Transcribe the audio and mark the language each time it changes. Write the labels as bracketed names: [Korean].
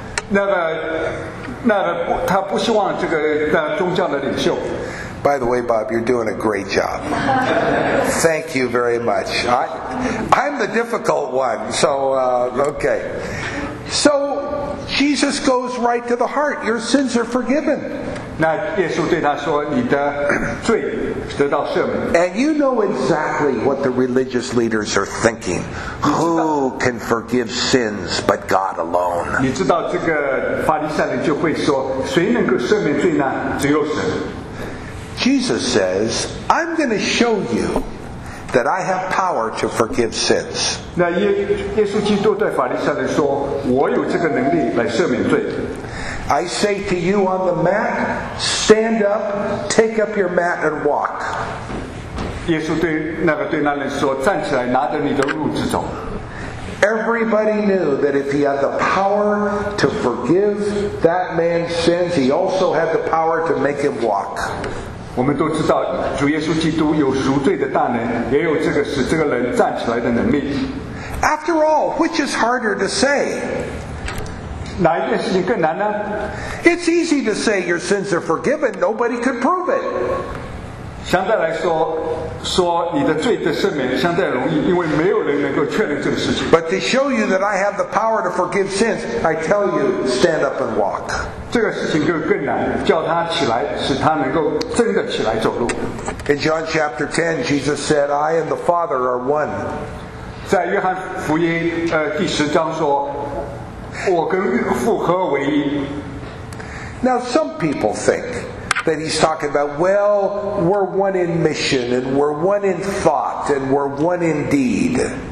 [Chinese] 那个他不希望这个宗教的领袖。 [English] By the way, Bob, you're doing a great job. Thank you very much. I'm the difficult one, so okay. So, Jesus goes right to the heart. Your sins are forgiven. [Chinese] 那耶稣对他说，你的罪得到赦免。 [English] And you know exactly what the religious leaders are thinking. Who can forgive sins but God alone? [Chinese] 你知道这个法利赛人就会说，谁能够赦免罪呢？只有神。 [English] Jesus says, I'm going to show you that I have power to forgive sins. [Chinese] 那耶稣基督对法利赛人说，我有这个能力来赦免罪。 [English] I say to you on the mat, stand up, take up your mat and walk. [Chinese] 耶稣对那个对那人说，站起来，拿着你的褥子走。 [English] Everybody knew that if he had the power to forgive that man's sins, he also had the power to make him walk. [Chinese] 我们都知道主耶稣基督有赎罪的大能，也有这个使这个人站起来的能力。 [English] After all, which is harder to say? [Chinese] 哪一件事情更难呢？ [English] It's easy to say your sins are forgiven. Nobody could prove it. [Chinese] 相对来说，说你的罪的赦免相对容易，因为没有人能够确认这个事情。 [English] But to show you that I have the power to forgive sins, I tell you, stand up and walk. [Chinese] 这个事情就更难，叫他起来，使他能够真的起来走路。 [English] In John chapter 10, Jesus said, I and the Father are one. [Chinese] 在约翰福音第十章说，我跟父合为一。 [English] Now some people think that he's talking about, well, we're one in mission, and we're one in thought, and we're one in deed.